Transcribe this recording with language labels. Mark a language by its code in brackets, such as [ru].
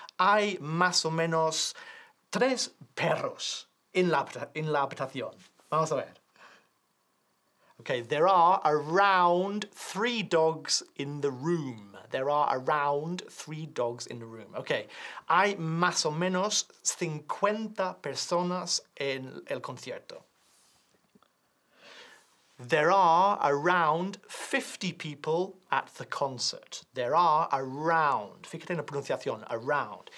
[es] Hay más o menos 3 perros en la habitación. Vamos a ver. [en] Okay, there are around 3 dogs in the room. There are around 3 dogs in the room. [es] Okay, hay más o menos 50 personas en el concierto. [en] There are around 50 people at the concert. There are around. [es] Fíjate en la pronunciación, [en] around.